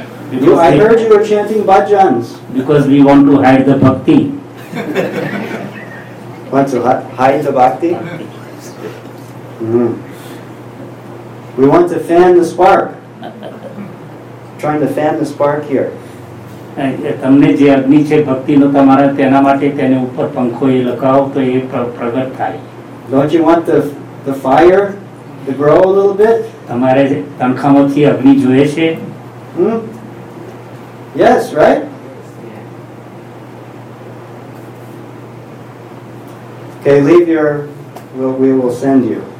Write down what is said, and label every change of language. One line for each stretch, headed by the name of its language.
English: I heard you were chanting bhajans. Because we want to hide the bhakti. Want to hide the bhakti? We want to fan the spark. Trying to fan the spark here.
Gujarati: તમને જે અગ્નિ છે ભક્તિનો તમારે તેના માટે તેને ઉપર પંખો એ લગાવો તો એ પ્રગટ થાય.
English: Don't you want the fire to grow a little bit?
Gujarati: તમારે તંખામાંથી અગ્નિ જોઈએ છે?
English: Yes, right? Okay, leave your, we will send you.